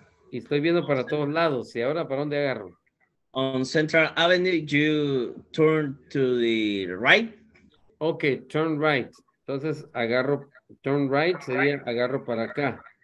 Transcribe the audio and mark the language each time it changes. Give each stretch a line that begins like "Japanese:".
Spanish: Y estoy viendo para todos lados. ¿Y ahora para dónde agarro?
English: On Central Avenue, you turn to the right. Okay, turn right.
Spanish: Entonces, agarro,
English: turn right,
Spanish: sería agarro para acá.